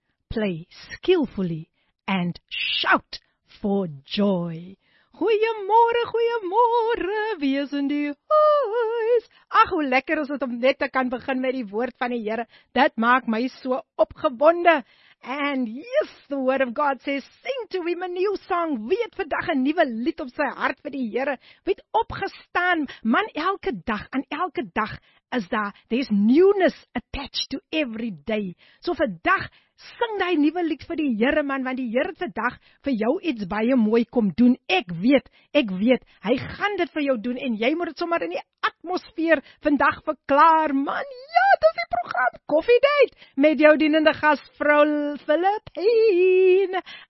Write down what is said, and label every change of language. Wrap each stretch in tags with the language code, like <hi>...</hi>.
<en>Play skillfully and shout for joy.</en> <af>Goeiemôre, goeiemôre, wees in die huis. Ag, hoe lekker is dit om net te kan begin met die woord van die Here. Dit maak my so opgewonde.</af> <en>And yes, the word of God says, sing to him a new song.</en> <af>Wie het vandag 'n nuwe lied op sy hart vir die Here? Wie het opgestaan? Man, elke dag, aan elke dag is daar,</af> <en>there's newness attached to every day.</en> <af>So vandag, sing daai nuwe lied vir die Here, man, want die Here het vandag vir jou iets baie mooi kom doen. Ek weet, hy gaan dit vir jou doen en jy moet dit sommer in die atmosfeer vandag verklaar, man. Ja, dit is die program Coffee Date met jou dienende gas vrou Philippine.</af>